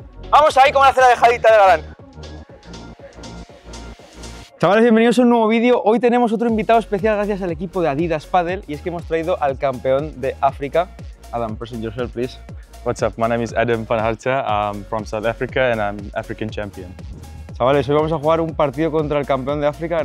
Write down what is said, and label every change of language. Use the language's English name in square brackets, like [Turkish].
[Spanish] Vamos ahí como hace la dejadita de Galán. Chavales, bienvenidos a un nuevo vídeo. Hoy tenemos otro invitado especial gracias al equipo de Adidas Padel y es que hemos traído al campeón de África. [English] Adam, present yourself, please. What's up? My name is Adam van Harte. I'm from South Africa and I'm African champion. [Spanish] Chavales, hoy vamos a jugar un partido contra el campeón de África.